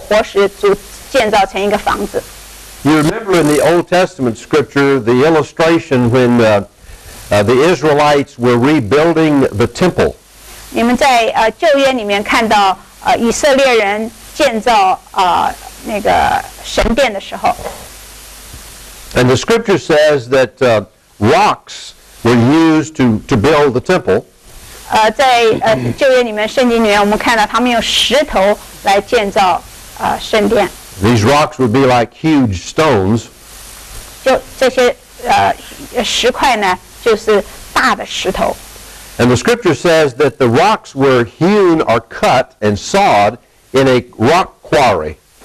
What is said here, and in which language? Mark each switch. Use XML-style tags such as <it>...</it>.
<zh>组成整个全人的一个身体，而彼得说，我们每一个人是那一块石头，不同的石头活石组建造成一个房子。</zh> <en>You remember in the Old Testament scripture the illustration when the Israelites were rebuilding the temple.</en> <zh>你们在旧约里面看到以色列人建造那个神殿的时候。</zh> <en>And the scripture says that rocks were used to build the temple.</en> <zh>在旧约里面圣经里面，我们看到他们用石头来建造圣殿。</zh> <en>These rocks would be like huge stones.</en> <zh>就这些石块呢，就是大的石头。</zh> <en>And the scripture says that the rocks were hewn or cut and sawed in a rock quarry.</en>